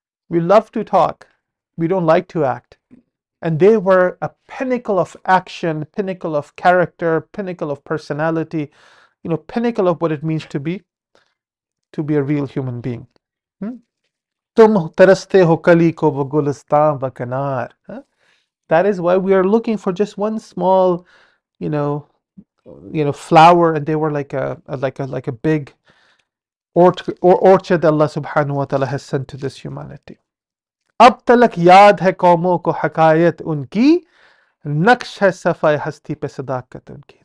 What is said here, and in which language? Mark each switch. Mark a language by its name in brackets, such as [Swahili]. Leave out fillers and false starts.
[English] We love to talk, we don't like to act. And they were a pinnacle of action, pinnacle of character, pinnacle of personality, you know, pinnacle of what it means to be a real human being. [Urdu] Tum taraste ho kali ko wo gulistan wa kanar. [English] That is why we are looking for just one small, you know, flower, and they were like a big orchard that Allah subhanahu wa ta'ala has sent to this humanity. [Urdu] اب تلک یاد ہے قوموں کو حکایت ان کی، نقش ہے صفحہ ہستی پہ صداقت ان کی.